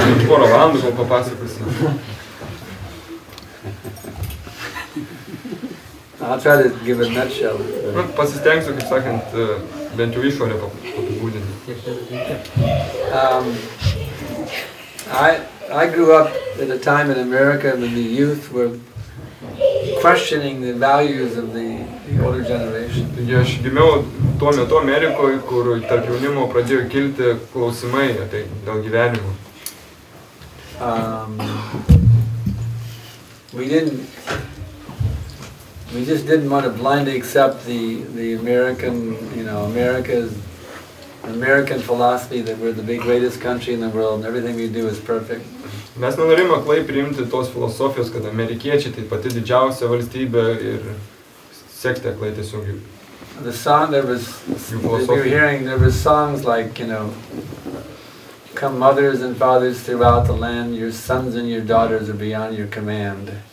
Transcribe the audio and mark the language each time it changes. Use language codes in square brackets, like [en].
[lt] Pora valandų kol papasakosiu. [en] I'll try to give a nutshell. [lt] Pasistengsiu, kaip sakant, bent jau išorę apibūdinti. [en] I grew up at a time in America when the youth were questioning the values of the older generation. [lt] Aš gimiau tuo metu Amerikoje, kur tarp jaunimo pradėjo kilti klausimai apie dėl gyvenimo. [en] We just didn't want to blindly accept the American, you know, America's American philosophy that we're the greatest country in the world and everything we do is perfect. [lt] Mes nenorim aklai priimti tos filosofijos, kad amerikiečiai tai pati didžiausia valstybė ir sekti aklai tiesiog jų. [en] The song there was, if you're hearing, there were songs like, you know, come mothers and fathers throughout the land, your sons and your daughters are beyond your command.